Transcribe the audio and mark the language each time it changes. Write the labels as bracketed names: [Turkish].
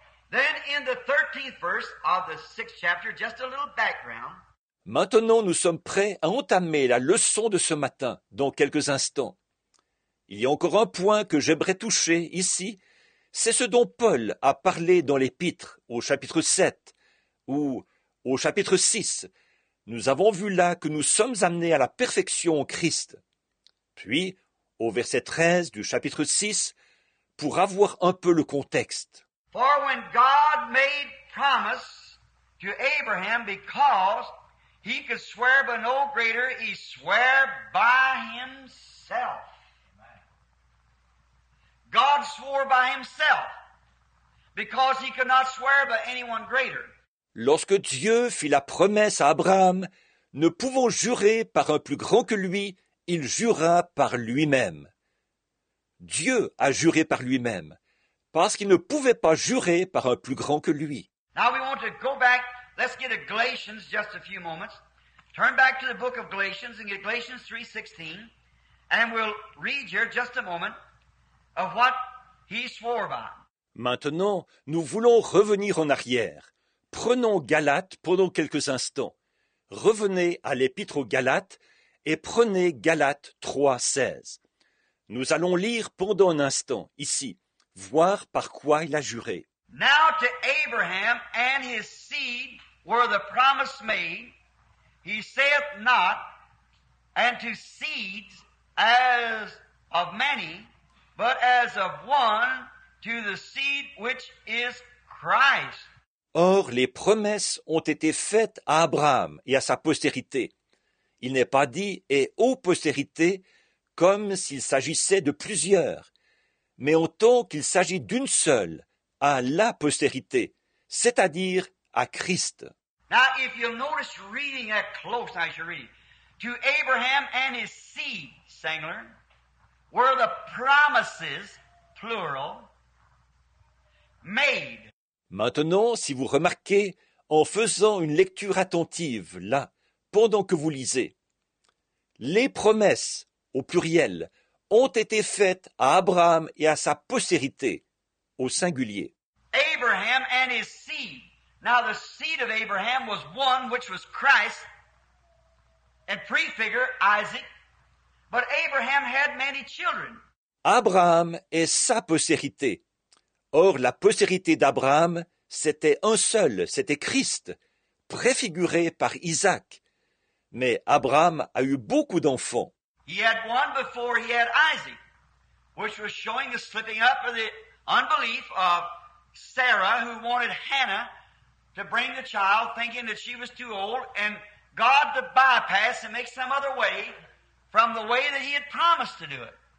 [English] Then in the 13th verse of the sixth chapter, just a little background. [French] Maintenant, nous sommes prêts à entamer la leçon de ce matin dans quelques instants. Il y a encore un point que j'aimerais toucher ici. C'est ce dont Paul a parlé dans l'Épître au chapitre 7 ou au chapitre 6. Nous avons vu là que nous sommes amenés à la perfection en Christ. Puis, au verset 13 du chapitre 6, pour avoir un peu le contexte. [English] For when God made promise to Abraham because he could swear by no greater, he swear by himself. God swore by himself, because he could not swear by anyone greater. [French] Lorsque Dieu fit la promesse à Abraham, ne pouvant jurer par un plus grand que lui, il jura par lui-même. Dieu a juré par lui-même, parce qu'il ne pouvait pas jurer par un plus grand que lui. [English] Now we want to go back, let's get to Galatians just a few moments. Turn back to the book of Galatians and get Galatians 3:16, and we'll read here just a moment of what he swore by. [French] Maintenant, nous voulons revenir en arrière. Prenons Galates pendant quelques instants. Revenez à l'Épître aux Galates et prenez Galates 3:16. Nous allons lire pendant un instant ici, voir par quoi il a juré. [English] Now to Abraham and his seed were the promise made. He saith not, and to seeds as of many, but as of one, to the seed which is Christ. [French] Or, les promesses ont été faites à Abraham et à sa postérité. Il n'est pas dit « et aux postérités » comme s'il s'agissait de plusieurs, mais en tant qu'il s'agit d'une seule, à la postérité, c'est-à-dire à Christ. [English] Now, if you'll notice reading that close, as you read, to Abraham and his seed, Sangler, were the promises, plural, made. [French] Maintenant, si vous remarquez, en faisant une lecture attentive, là, pendant que vous lisez, les promesses, au pluriel, ont été faites à Abraham et à sa postérité, au singulier. [English] Abraham and his seed. Now, the seed of Abraham was one, which was Christ, and prefigure Isaac, but Abraham had many children. [French] Abraham et sa postérité. Or, la postérité d'Abraham, c'était un seul, c'était Christ, préfiguré par Isaac. Mais Abraham a eu beaucoup d'enfants. [English] He had one before he had Isaac, which was showing the slipping up of the unbelief of Sarah, who wanted Hannah to bring the child, thinking that she was too old, and God to bypass and make some other way from the way that he had promised to do it.